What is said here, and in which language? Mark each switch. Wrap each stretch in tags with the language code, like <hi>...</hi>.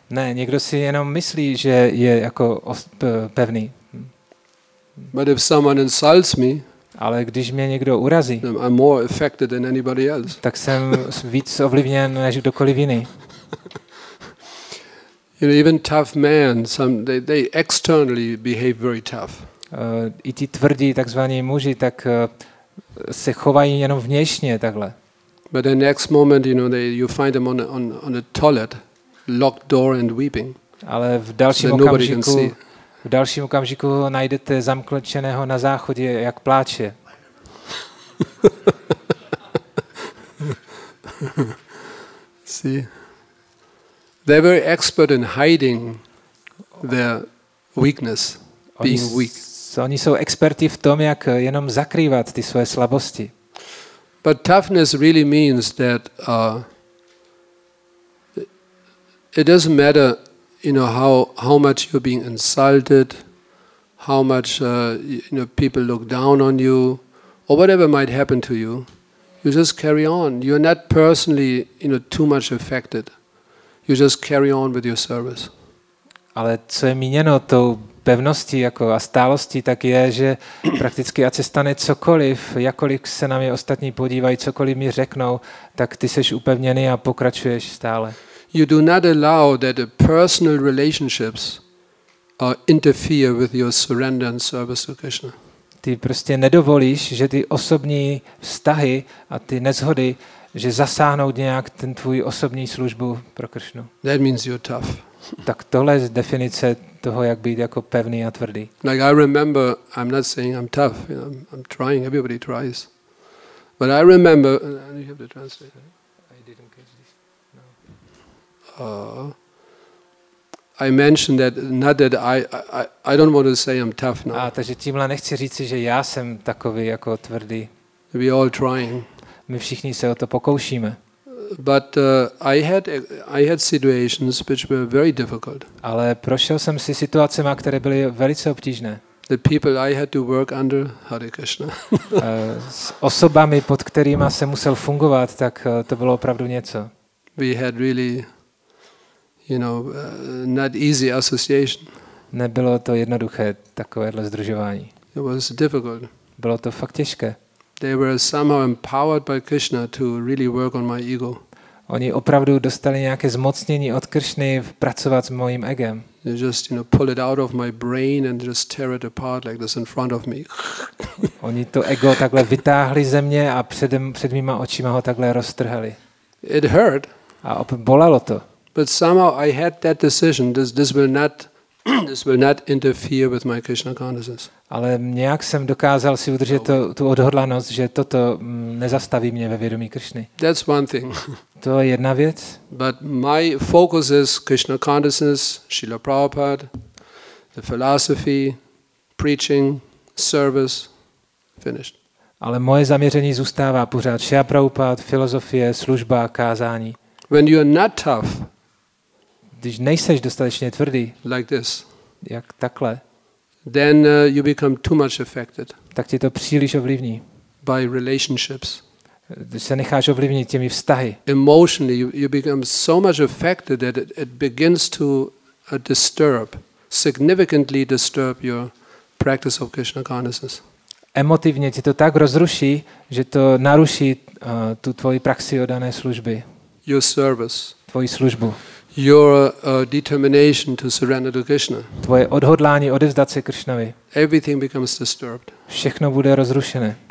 <cs>Ne, někdo si jenom myslí, že je jako pevný.</cs> <en>But if someone insults me,</en> <cs>ale když mě někdo urazí,</cs> <en>I'm more affected than anybody else.</en> <cs>Tak jsem víc ovlivněn než kdokoliv jiný.</cs> <en>You know, even tough men, some they externally behave very tough.</en> <cs>I ti tvrdí takzvaní muži, tak se chovají jenom vnějšně takhle.</cs> <en>But the next moment, you know, you find them on a toilet, locked door and weeping.</en> <cs>Ale v dalším okamžiku. V dalším okamžiku ho najdete zamklčeného na záchodě, jak pláče.</cs> <en>See, they're very expert in hiding their weakness, being weak.</en> <cs>Oni jsou experti v tom, jak jenom zakrývat ty svoje slabosti.</cs> <en>But toughness really means that it doesn't matter. You know how much you're being insulted, how much you know people look down on you, or whatever might happen to you. You just carry on. You're not personally, you know, too much affected. You just carry on with your service.</en> <cs>Ale co je míněno tou pevností jako a stálostí, tak je, že prakticky ať se stane cokoliv, jakkoliv se na mě ostatní podívají, cokoliv mi řeknou, tak ty seš upevněný a pokračuješ stále.</cs> <en>You do not allow that the personal relationships interfere with your surrender and service to Krishna.</en> <cs>Ty prostě nedovolíš, že ty osobní vztahy a ty nezhody, že zasáhnou nějak ten tvůj osobní službu pro Krishnu.</cs> <en>That means you're tough.</en> <cs>Tak tohle je definice toho, jak být jako pevný a tvrdý.</cs> <en>Like I remember, I'm not saying I'm tough, you know, I'm trying, everybody tries. But I remember, and you have to translate it. I mentioned that not that I don't want to say I'm tough now.</en> <cs>A takže tímhle nechci říci, že já jsem takový jako tvrdý.</cs> <en>We all trying.</en> <cs>My všichni se o to pokoušíme.</cs> <en>But I had situations which were very difficult.</en> <cs>Ale prošel jsem si situacemi, které byly velice obtížné.</cs> <en>The people I had to work under, Hare Krishna.</en> <cs>S osobami, pod kterými jsem musel fungovat, tak to bylo opravdu něco.</cs> <en>We had really, you know, not easy association.</en> <cs>Nebylo to jednoduché takovéhle sdružování.</cs> <en>It was difficult.</en> <cs>Bylo to fakt těžké.</cs> <en>They were somehow empowered by Krishna to really work on my ego.</en> <cs>Oni opravdu dostali nějaké zmocnění od Krishny pracovat s mojím egem.</cs> <en>They just, you know, pull it out of my brain and just tear it apart like this in front of me.</en> <cs>Oni to ego takhle vytáhli ze mě a před mýma očima ho takhle roztrhali.</cs> <en>It hurt.</en> <cs>A bolelo to.</cs> <en>But somehow I had that decision, this will not interfere with my Krishna consciousness.</en> <cs>Ale nějak jsem dokázal si udržet tu odhodlanost, že toto nezastaví mě ve vědomí Krishny.</cs> <en>That's one thing.</en> <cs>To je jedna věc.</cs> <en>But my focus is Krishna consciousness, Srila Prabhupada, the philosophy, preaching, service, finished.</en> <cs>Ale moje zaměření zůstává pořád Srila Prabhupada, filozofie, služba, kázání.</cs> <en>When you are not tough,</en> <cs>když nejseš dostatečně tvrdý,</cs> <en>like this,</en> <cs>jak takhle,</cs> <en>then you become too much affected.</en> <cs>Tak ti to příliš ovlivní.</cs> <en>By relationships.</en> <cs>Když se necháš ovlivnit těmi vztahy.</cs> <en>Emotionally you become so much affected that it begins to disturb, significantly disturb your practice of Krishna consciousness.</en> <cs>Emotivně ti to tak rozruší, že to naruší tu tvoji praxi oddané služby.</cs> <en>Your service.</en> <cs>Tvoji službu.</cs> <en>Your determination to surrender to Krishna.</en> <cs>Tvoje odhodlání odevzdat se Krishnovi.</cs> <en>Everything becomes disturbed.</en> <cs>Všechno bude rozrušené.</cs>